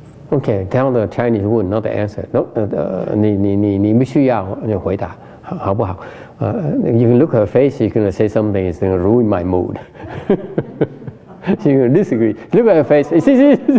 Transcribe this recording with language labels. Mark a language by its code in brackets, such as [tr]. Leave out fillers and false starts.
[en] Okay, tell the Chinese word, not the answer. [zh] No, 你不需要回答, 好不好? [en] You can look at her face, she's going to say something, it's going to ruin my mood. She's going to disagree. Look at her face. See.